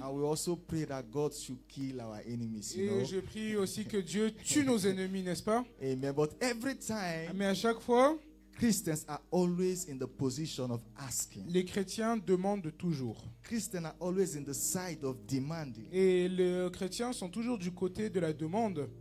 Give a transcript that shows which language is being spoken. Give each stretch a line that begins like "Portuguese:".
English: And we also pray that God should kill our enemies.
French: Et je prie aussi que Dieu tue nos ennemis, n'est-ce pas?
English: Amen. But every time.
French: Mais à chaque fois.
English: Christians are always in the position of asking.
French: Les chrétiens demandent toujours.
English: Christians are always in the side of demanding.
French: Et les chrétiens sont toujours du côté de la demande.